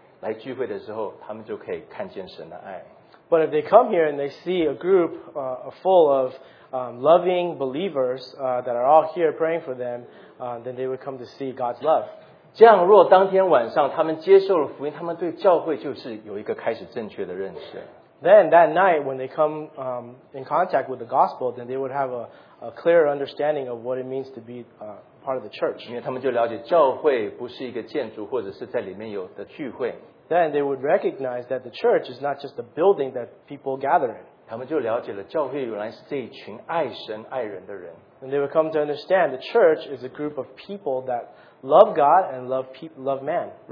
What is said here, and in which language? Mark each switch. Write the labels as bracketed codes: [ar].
[en] But if they come here and they see a group full of loving believers that are all here praying for them, then they would come to see God's love. [zh] 这样若当天晚上他们接受了福音，他们对教会就是有一个开始正确的认识。 [en] Then that night when they come in contact with the gospel, then they would have a clearer understanding of what it means to be part of the church. [zh] 因为他们就了解教会不是一个建筑或者是在里面有的聚会。 [en] Then they would recognize that the church is not just a building that people gather in. [zh] 他们就了解了教会原来是这一群爱神爱人的人。 [en] And they would come to understand the church is a group of people that love God and love man.